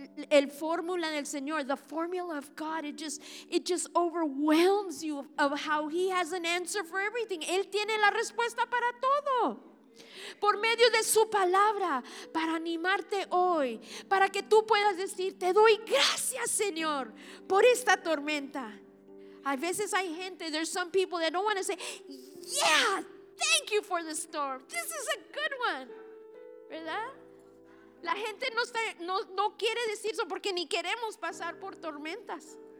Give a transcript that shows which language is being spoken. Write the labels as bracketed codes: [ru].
[es] El fórmula del Señor, [en] the formula of God, it just overwhelms you of how He has an answer for everything. [es] Él tiene la respuesta para todo. Por medio de su palabra, para animarte hoy, para que tú puedas decir, te doy gracias, Señor, por esta tormenta. A veces hay gente, [en] there's some people that don't want to say, yeah, thank you for the storm. This is a good one. [es] ¿Verdad? La gente no quiere decir eso porque ni queremos pasar por tormentas.